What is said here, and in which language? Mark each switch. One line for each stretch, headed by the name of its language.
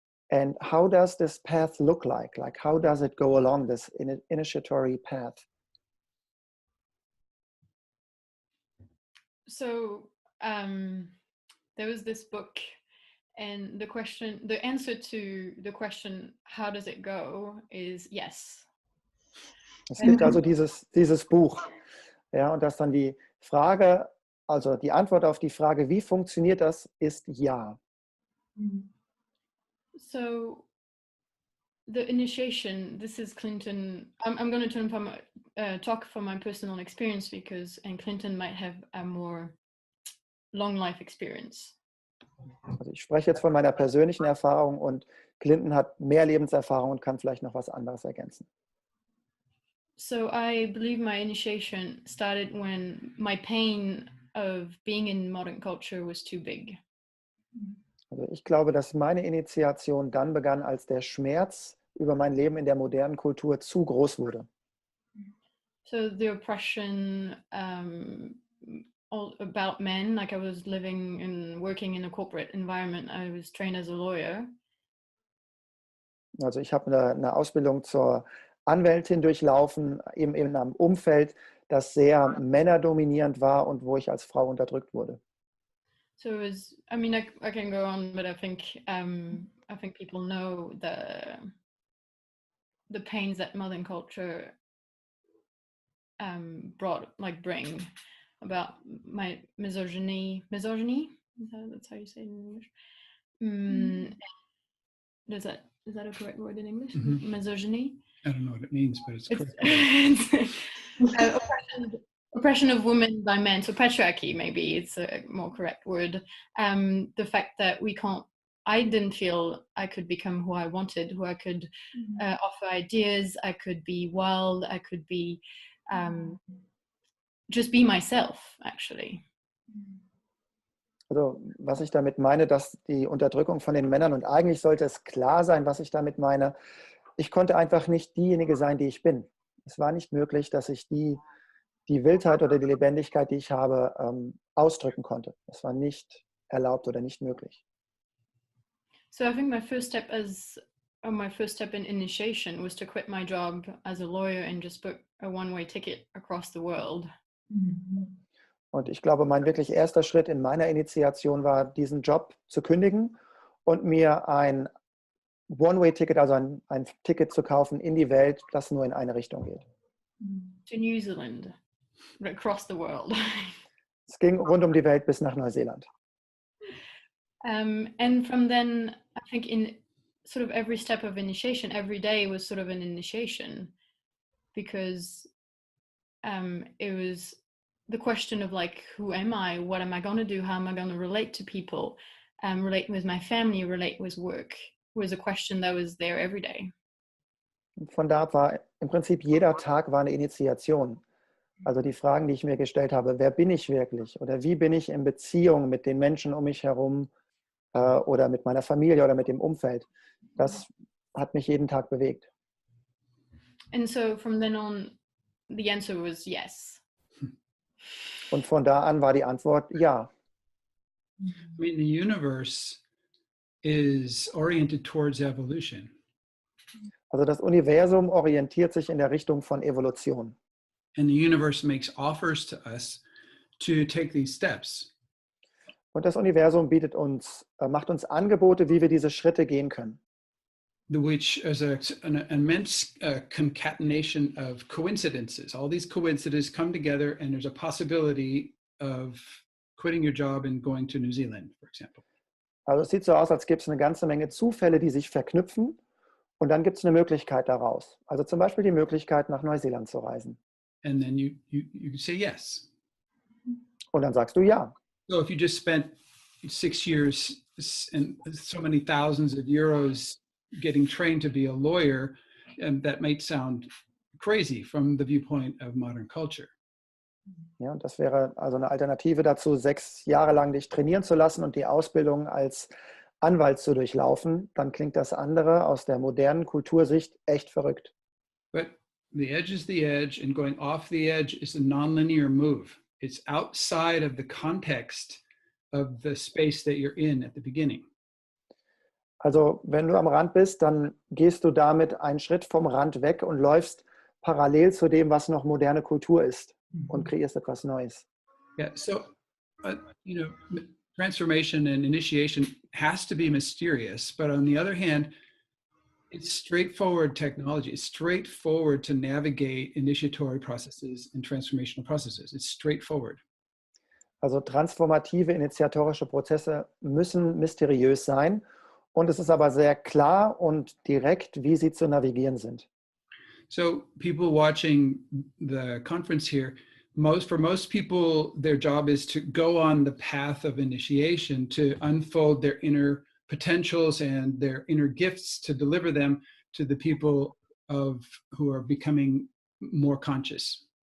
English: And how does this path look like? Like, how does it go along, this initiatory path? So there was this book, and the answer to the question, how does it go, is yes.
German: Es gibt also dieses Buch. Ja, und das dann die Frage, also die Antwort auf die Frage, wie funktioniert das, ist ja.
English: So the initiation, this is Clinton. I'm going to talk from my personal experience, because and Clinton might have a more long life experience.
German: Also ich spreche jetzt von meiner persönlichen Erfahrung, und Clinton hat mehr Lebenserfahrung und kann vielleicht noch was anderes ergänzen.
English: So I believe my initiation started when my pain of being in modern culture was too big.
German: Also ich glaube, dass meine Initiation dann begann, als der Schmerz über mein Leben in der modernen Kultur zu groß wurde.
English: So the oppression all about men, like I was living and working in a corporate environment, I was trained as a lawyer.
German: Also ich habe eine Ausbildung zur Anwältin durchlaufen, eben in einem Umfeld, das sehr männerdominierend war und wo ich als Frau unterdrückt wurde.
English: So it was, I mean, I can go on, but I think people know the pains that modern culture brought, like bring, about my misogyny, that's how you say it in English. Is that a correct word in English? Mm-hmm. Misogyny? I don't know what it means, but it's correct. oppression of women by men, so patriarchy maybe it's a more correct word. The fact that I didn't feel I could become who I wanted, who I could offer ideas, I could be wild, I could be just be myself, actually.
German: Also, was ich damit meine, dass die Unterdrückung von den Männern, und eigentlich sollte es klar sein, was ich damit meine, ich konnte einfach nicht diejenige sein, die ich bin. Es war nicht möglich, dass ich die Wildheit oder die Lebendigkeit, die ich habe, ausdrücken konnte. Es war nicht erlaubt oder nicht möglich.
English: So I think my first step in initiation was to quit my job as a lawyer and just book a one-way ticket across the world.
German: Und ich glaube, mein wirklich erster Schritt in meiner Initiation war, diesen Job zu kündigen und mir ein One-Way-Ticket, also ein Ticket zu kaufen in die Welt, das nur in eine Richtung geht.
English: To New Zealand, across the world.
German: Es ging rund um die Welt bis nach Neuseeland.
English: And from then, I think in sort of every step of initiation, every day was sort of an initiation, because it was the question of like, who am I? What am I going to do? How am I going to relate to people? Relate with my family, relate with work. Was a question that was there every day.
German: Von da ab war im Prinzip jeder Tag war eine Initiation. Also die Fragen, die ich mir gestellt habe, wer bin ich wirklich? Oder wie bin ich in Beziehung mit den Menschen um mich herum oder mit meiner Familie oder mit dem Umfeld? Das hat mich jeden Tag bewegt.
English: And so from then on, the answer was yes.
German: Und von da an war die Antwort ja.
English: I mean, the universe is oriented towards evolution.
German: Also das Universum orientiert sich in der Richtung von Evolution.
English: And the universe makes offers to us to take these steps.
German: Und das Universum bietet uns, macht uns Angebote, wie wir diese Schritte gehen können.
English: Which is an immense concatenation of coincidences. All these coincidences come together and there's a possibility of quitting your job and going to New Zealand, for example.
German: Also es sieht so aus, als gäbe es eine ganze Menge Zufälle, die sich verknüpfen und dann gibt es eine Möglichkeit daraus. Also zum Beispiel die Möglichkeit, nach Neuseeland zu reisen.
English: And then you say yes.
German: Und dann sagst du ja.
English: So if you just spent 6 years and so many thousands of euros getting trained to be a lawyer, and that might sound crazy from the viewpoint of modern culture.
German: Ja, und das wäre also eine Alternative dazu, 6 Jahre lang dich trainieren zu lassen und die Ausbildung als Anwalt zu durchlaufen, dann klingt das andere aus der modernen Kultursicht echt verrückt.
English: But the edge is the edge and going off the edge is a non-linear move. It's outside of the context of the space that you're in at the beginning.
German: Also wenn du am Rand bist, dann gehst du damit einen Schritt vom Rand weg und läufst parallel zu dem, was noch moderne Kultur ist. Und kreierst etwas Neues.
English: Yeah, so, you know, transformation and initiation has to be mysterious, but on the other hand, it's straightforward technology. It's straightforward to navigate initiatory processes and transformational processes. It's straightforward.
German: Also transformative initiatorische Prozesse müssen mysteriös sein, und es ist aber sehr klar und direkt, wie sie zu navigieren sind.
English: So people watching the conference here, for most people, their job is to go on the path of initiation to unfold their inner potentials and their inner gifts to deliver them to the people who are becoming more conscious.